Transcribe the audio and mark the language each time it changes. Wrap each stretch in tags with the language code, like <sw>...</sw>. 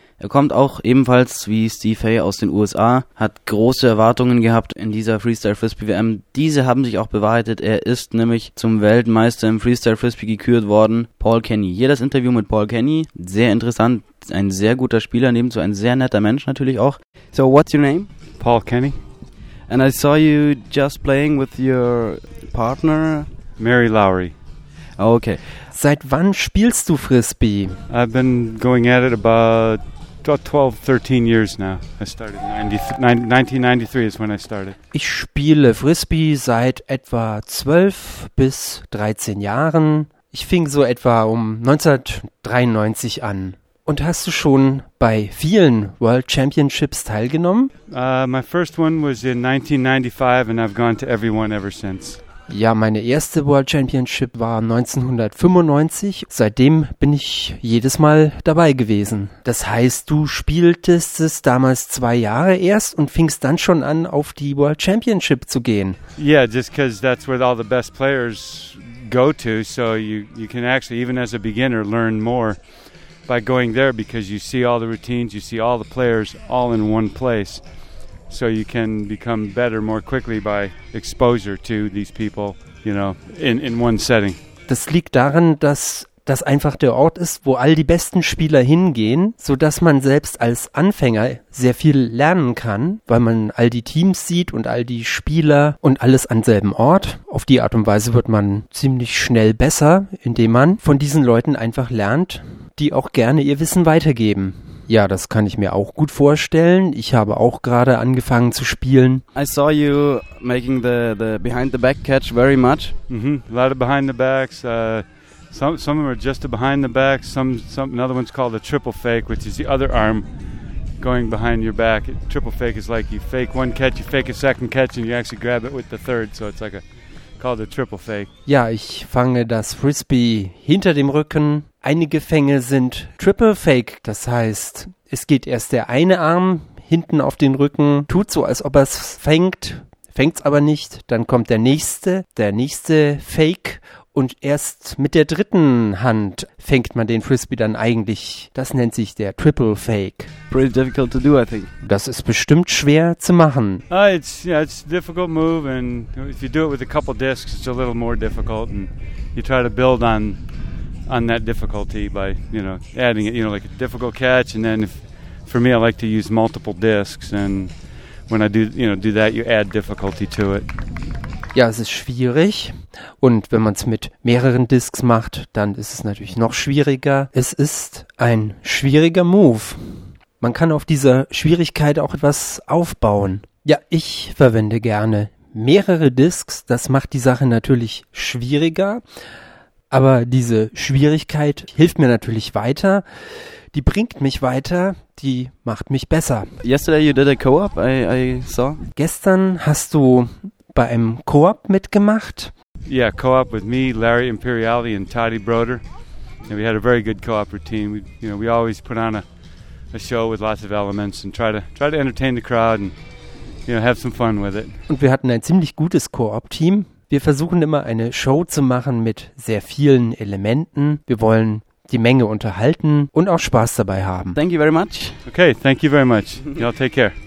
<de>Er kommt auch ebenfalls wie Steve Hay aus den USA, hat große Erwartungen gehabt in dieser Freestyle Frisbee WM. Diese haben sich auch bewahrheitet, er ist nämlich zum Weltmeister im Freestyle Frisbee gekürt worden, Paul Kenny. Hier das Interview mit Paul Kenny, sehr interessant, ein sehr guter Spieler, nebenzu ein sehr netter Mensch natürlich auch.</de> <en>So, what's your name? Paul Kenny. And I saw you just playing with your partner? Mary Lowry. Okay.</en> <de>Seit wann spielst du Frisbee?</de> <en>I've been going at it about 12, 13 years now. I started in 1993 is when I started.</en> <de>Ich spiele Frisbee seit etwa 12 bis 13 Jahren. Ich fing so etwa um 1993 an. Und hast du schon bei vielen World Championships teilgenommen?</de> <en>My first one was in 1995 and I've gone to every one ever since.</en> <de>Ja, meine erste World Championship war 1995. Seitdem bin ich jedes Mal dabei gewesen. Das heißt, du spieltest es damals 2 Jahre erst und fingst dann schon an, auf die World Championship zu gehen.</de> <en>Yeah, just because that's where all the best players go to. So you can actually, even as a beginner, learn more by going there because you see all the routines, you see all the players all in one place. So you can become better more quickly by exposure to these people, you know, in one setting.</en> <de>Das liegt daran, dass das einfach der Ort ist, wo all die besten Spieler hingehen, so dass man selbst als Anfänger sehr viel lernen kann, weil man all die Teams sieht und all die Spieler und alles an selben Ort. Auf die Art und Weise wird man ziemlich schnell besser, indem man von diesen Leuten einfach lernt, die auch gerne ihr Wissen weitergeben. Ja, das kann ich mir auch gut vorstellen. Ich habe auch gerade angefangen zu spielen.</de> <en>I saw you making the behind the back catch very much. Mm-hmm. A lot of behind the backs. Some of them are just a behind the back. Some another one's called a triple fake, which is the other arm going behind your back. Triple fake is like you fake one catch, you fake a second catch, and you actually grab it with the third. So it's like a called a triple fake.</en> <de>Ja, ich fange das Frisbee hinter dem Rücken. Einige Fänge sind Triple Fake, das heißt, es geht erst der eine Arm hinten auf den Rücken, tut so, als ob er es fängt es aber nicht, dann kommt der nächste Fake und erst mit der dritten Hand fängt man den Frisbee dann eigentlich. Das nennt sich der Triple Fake.</de> <en>Pretty difficult to do, I think.</en> <de>Das ist bestimmt schwer zu machen.</de> <en>It's a difficult move and if you do it with a couple discs, it's a little more difficult and you try to build on that difficulty by, you know, adding it, you know, like a difficult catch. And then for me, I like to use multiple discs. And when I do, you know, do that, you add difficulty to it.</en> <de>Ja, es ist schwierig. Und wenn man es mit mehreren Discs macht, dann ist es natürlich noch schwieriger. Es ist ein schwieriger Move. Man kann auf dieser Schwierigkeit auch etwas aufbauen. Ja, ich verwende gerne mehrere Discs. Das macht die Sache natürlich schwieriger. Aber diese Schwierigkeit hilft mir natürlich weiter, die bringt mich weiter, die macht mich besser.</de> <en>Yesterday you did a co-op, I saw.</en> <de>Gestern hast du bei einem co-op mitgemacht.</de> <en>Yeah, co-op with me, Larry Imperiali and Toddy Broder. And we had a very good co-op routine. We, you know, we always put on a show with lots of elements and try to entertain the crowd and, you know, have some fun with it.</en> <de>Und wir hatten ein ziemlich gutes Co-op-Team. Wir versuchen immer eine Show zu machen mit sehr vielen Elementen. Wir wollen die Menge unterhalten und auch Spaß dabei haben.</de> <en>Thank you very much. Okay, thank you very much. Y'all take care.</en>